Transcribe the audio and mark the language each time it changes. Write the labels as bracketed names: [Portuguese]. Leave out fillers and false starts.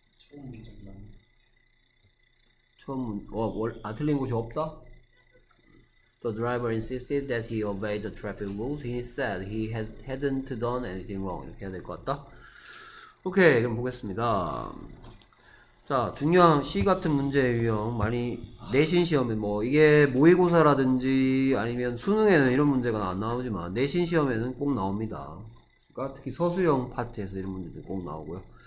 [Korean] 처음 문장만. 처음 문, 틀린 곳이 없다? [English] The driver insisted that he obeyed the traffic rules. He said he hadn't done anything wrong. [Korean] 이렇게 해야 될 것 같다. 오케이, 그럼 보겠습니다. 자, 중요한 C 같은 문제 유형 많이 내신 시험에 뭐 이게 모의고사라든지 아니면 수능에는 이런 문제가 안 나오지만 내신 시험에는 꼭 나옵니다. 그러니까 특히 서술형 파트에서 이런 문제들 꼭 나오고요.